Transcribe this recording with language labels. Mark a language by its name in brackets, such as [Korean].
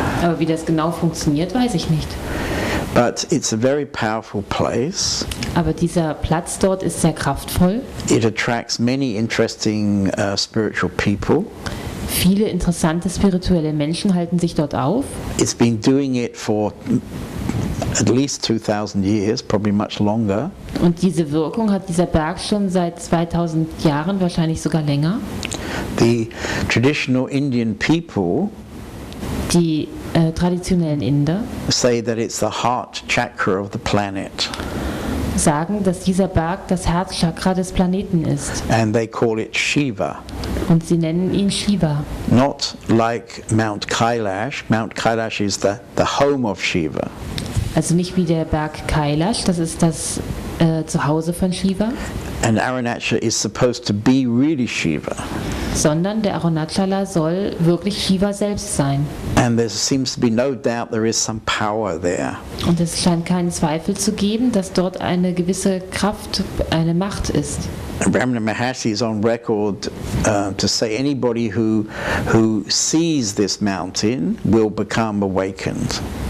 [German] Aber wie das genau funktioniert, weiß ich nicht. [English] But it's a very powerful place. [German] Aber dieser Platz dort ist sehr kraftvoll. [English] It attracts many interesting spiritual people. [German] Viele interessante spirituelle Menschen halten sich dort auf. [English] It's been doing it for at least 2000 years, probably much longer. [German] Und diese Wirkung hat dieser Berg schon seit 2000 Jahren, wahrscheinlich sogar länger. [English] The traditional Indian people, [German] die traditionellen Inder, [English] say that it's the heart chakra of the planet. [German] Sagen, dass dieser Berg das Herzchakra des Planeten ist. [English] And they call it Shiva. [German] Und sie nennen ihn Shiva. [English] Not like Mount Kailash. Mount Kailash is the home of Shiva. [German] Also nicht wie der Berg Kailash, das ist das Zuhause von Shiva. [English] And Arunachala is supposed to be really Shiva. [German] Sondern der Arunachala soll wirklich Shiva selbst sein. [English] And there seems to be no doubt there is some power there. [German] Und es scheint keinen Zweifel zu geben, dass dort eine gewisse Kraft, eine Macht ist. [English] Ramana Maharshi is on record to say anybody who sees this mountain will become awakened.